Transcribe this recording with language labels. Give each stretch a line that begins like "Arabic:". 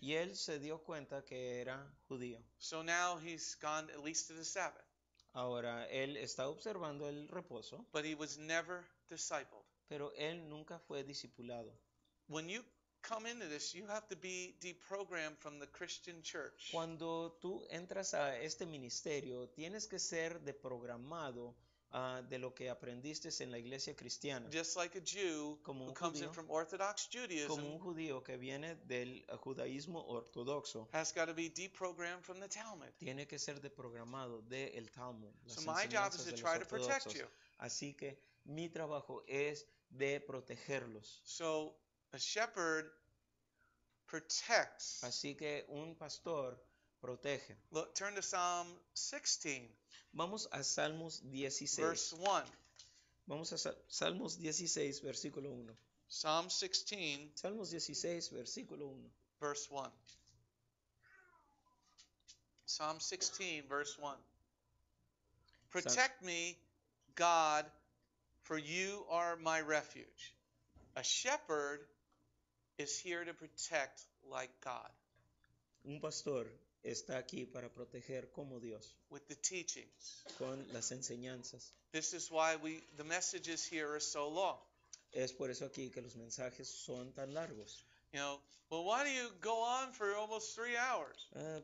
Spanish: Y él se dio cuenta que era judío.
English: So now he's gone at least to the Sabbath.
Spanish: Ahora, él está observando el reposo.
English: But he was never discipled.
Spanish: Pero él nunca fue discipulado.
English: When you come into this, you have to be deprogrammed from the Christian church.
Spanish: Cuando tú entras a este ministerio, tienes que ser deprogramado de lo que aprendiste en la iglesia cristiana.
English: Just like a Jew
Spanish: como
English: who comes
Spanish: judío,
English: in from Orthodox Judaism.
Spanish: Como un judío que viene del judaísmo ortodoxo.
English: Has got to be deprogrammed from the Talmud.
Spanish: Tiene que ser deprogramado del Talmud.
English: So my job is to try to protect you.
Spanish: Así que mi trabajo es de protegerlos.
English: So a shepherd protects.
Spanish: Así que un pastor protege.
English: Look, turn to Psalm 16.
Spanish: Vamos a Salmos 16.
English: Verse 1.
Spanish: Vamos a Salmos 16, versículo 1.
English: Psalm 16.
Spanish: Salmos 16, versículo 1.
English: Verse 1. Psalm 16, verse 1. Protect me, God, for you are my refuge. A shepherd is here to protect like God.
Spanish: Un pastor está aquí para proteger como Dios.
English: With the teachings.
Spanish: Con las enseñanzas.
English: This is why the messages here are so long.
Spanish: Es por eso aquí que los mensajes son tan largos.
English: You know, well, why do you go on for almost 3 hours?